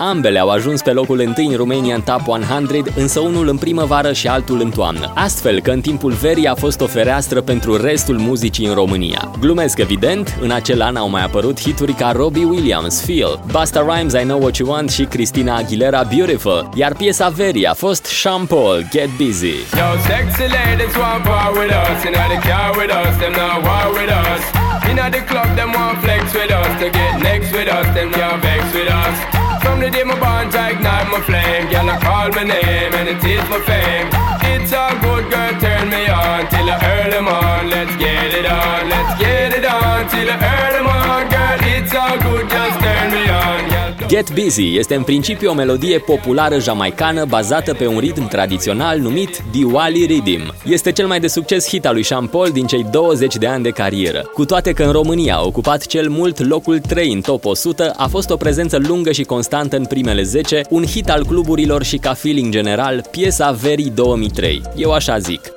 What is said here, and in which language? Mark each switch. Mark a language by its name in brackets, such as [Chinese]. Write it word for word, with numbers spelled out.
[Romanian] Ambele au ajuns pe locul întâi în Romanian Top o sută, însă unul în primăvară și altul în toamnă. Astfel că în timpul verii a fost o fereastră pentru restul muzicii în România. Glumesc evident, în acel an au mai apărut hituri ca Robbie Williams, Feel, Busta Rhymes, I Know What You Want și Christina Aguilera, Beautiful, iar piesa verii a fost Sean Paul, Get Busy. [English] Yo, sexy ladies want war with us, you know they care with us, them not war with us. In the club, them want flex with us, to get next with us, them can't vex with us. From the day my bond, I ignite my flame, girl, I call my name and it is my fame. It's a good girl, turn me on, till till the early morn. Let's get it on, let's get it on till the early morn. Girl, it's so good, just turn me on. [Romanian] Get Busy este în principiu o melodie populară jamaicană bazată pe un ritm tradițional numit Diwali Rhythm. Este cel mai de succes hit al lui Sean Paul din cei douăzeci de ani de carieră. Cu toate că în România a ocupat cel mult locul trei în top o sută, a fost o prezență lungă și constantă în primele zece, un hit al cluburilor și ca feeling general, piesa verii două mii trei. Eu așa zic.